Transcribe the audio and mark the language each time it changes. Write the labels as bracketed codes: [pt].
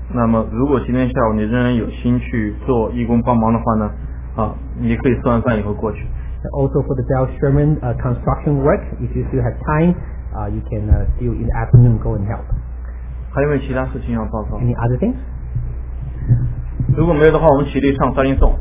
[zh] 那么如果今天下午你仍然有心去做义工帮忙的话呢，你可以吃完饭以后过去。 [en] Also for the Bell Sherman construction work, if you still have time, you can still in the afternoon go and help. [zh] 还有没有其他事情要报告 [en] ？Any other things? [zh] 如果没有的话，我们起立唱三音颂。